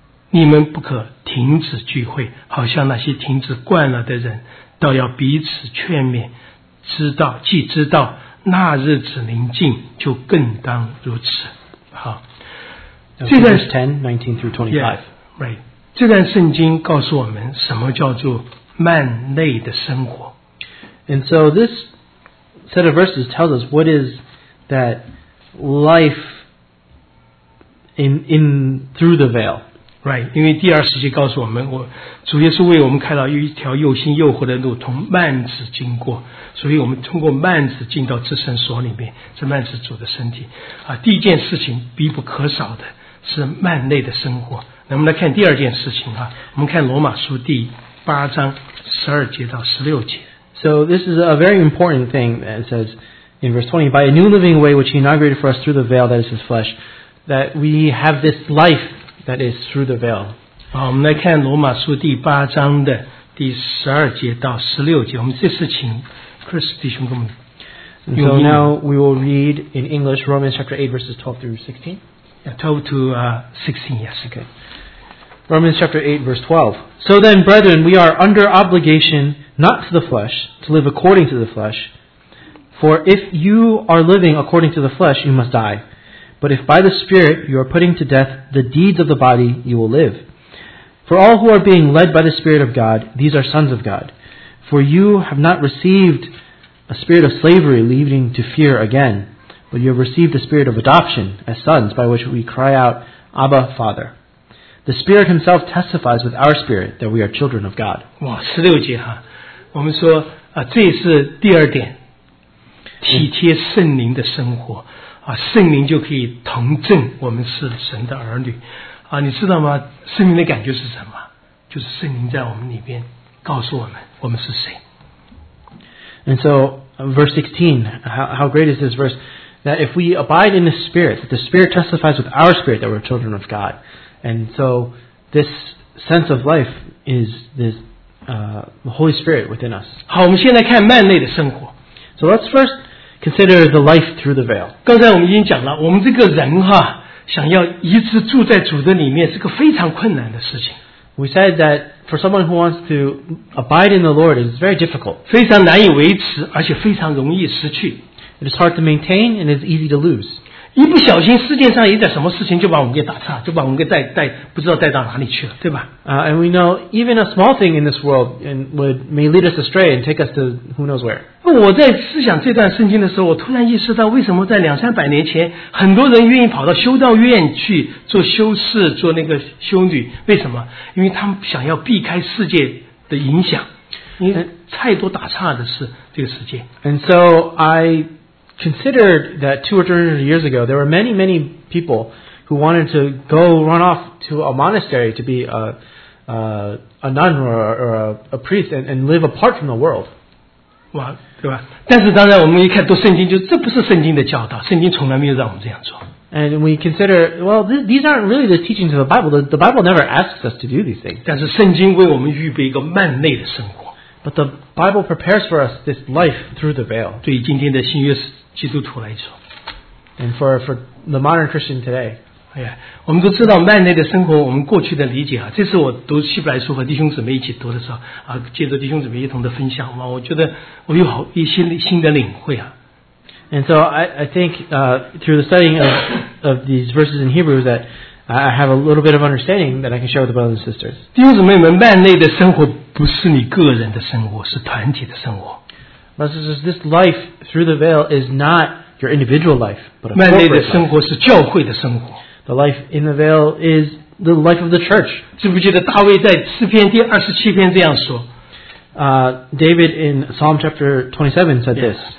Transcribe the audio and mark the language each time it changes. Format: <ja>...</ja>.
<zh>你们不可停止聚会，好像那些停止惯了的人，倒要彼此劝勉，知道既知道那日子临近，就更当如此。好，这段 10:19-25，这段圣经告诉我们什么叫做幔内的生活。</zh> <en>And so this set of verses tells us what is that life in through the veil.</en> <zh>Right, 因为第二十节告诉我们，我主耶稣为我们开了一条又新又活的路，从幔子经过，所以我们通过幔子进到至圣所里面，这幔子主的身体。啊，第一件事情必不可少的是幔内的生活。那我们来看第二件事情啊，我们看罗马书第八章十二节到十六节。</zh> <en>So this is a very important thing that it says in verse 20, by a new living way which he inaugurated for us through the veil that is his flesh, that we have this life that is through the veil.</en> <zh>好，我们来看罗马书第八章的第十二节到十六节。我们这次请 Chris 弟兄跟我们。</zh> <en>So now we will read in English Romans chapter 8 verses 12 through 16. Yeah, 12 to 16, yes. Okay. Romans chapter 8 verse 12. So then, brethren, we are under obligation not to the flesh to live according to the flesh. For if you are living according to the flesh, you must die. But if by the Spirit you are putting to death the deeds of the body, you will live. For all who are being led by the Spirit of God, these are sons of God. For you have not received a spirit of slavery leading to fear again, but you have received the spirit of adoption as sons, by which we cry out, Abba, Father. The Spirit himself testifies with our spirit that we are children of God.</en> <zh>哇，十六节哈，我们说啊，这是第二点，体贴圣灵的生活。啊，圣灵就可以同证我们是神的儿女，啊，你知道吗？圣灵的感觉是什么？就是圣灵在我们里边告诉我们，我们是谁。</zh> <en>And so, verse 16, how great is this verse? That if we abide in the Spirit, the Spirit testifies with our spirit that we're children of God. And so, this sense of life is this, the Holy Spirit within us.</en> <zh>好，我们现在看幔内的生活。</zh> <en>So let's first. Consider the life through the veil.</en> <zh>刚才我们已经讲了，我们这个人哈，想要一直住在主的里面，是个非常困难的事情。</zh> <en>We said that for someone who wants to abide in the Lord, it is very difficult.</en> <zh>非常难以维持，而且非常容易失去。</zh> <en>It is hard to maintain and it is easy to lose.</en> <zh>一不小心，世界上有点什么事情，就把我们给打岔，就把我们给带不知道带到哪里去了，对吧？</zh> <en>And we know even a small thing in this world may lead us astray and take us to who knows where.</en> <zh>我在思想这段圣经的时候，我突然意识到，为什么在两三百年前，很多人愿意跑到修道院去做修士、做那个修女？为什么？因为他们想要避开世界的影响，因为太多打岔的是这个世界。</zh> <en>And so I considered that 200 years ago, there were many, many people who wanted to go run off to a monastery to be a nun or a priest and live apart from the world.</en> <zh>对吧？但是当然，我们一看读圣经，就这不是圣经的教导，圣经从来没有让我们这样做。</zh> <en>And we consider, well, these aren't really the teachings of the Bible. The Bible never asks us to do these things.</en> <zh>但是圣经为我们预备一个幔内的生活。</zh> <en>But the Bible prepares for us this life through the veil.</en> <zh>对于今天的新约基督徒来说</zh> <en>，and for the modern Christian today.</en> <zh>哎呀，我们都知道幔内的生活，我们过去的理解啊，这次我读希伯来书和弟兄姊妹一起读的时候啊，借着弟兄姊妹一同的分享嘛，我觉得我有好一些新的领会啊。</zh> <en>And so I think through the studying of these verses in Hebrews that I have a little bit of understanding that I can share with the brothers and sisters.</en> <zh>弟兄姊妹们，幔内的生活不是你个人的生活，是团体的生活。</zh> <en>Brothers, this life through the veil is not your individual life, but a corporate life.</en> <zh>幔内的生活是教会的生活。</zh> <en>The life in the veil is the life of the church.</en> <zh>记不记得大卫在诗篇第二十七篇这样说？</zh> <en>David in Psalm chapter 27 said this.</en>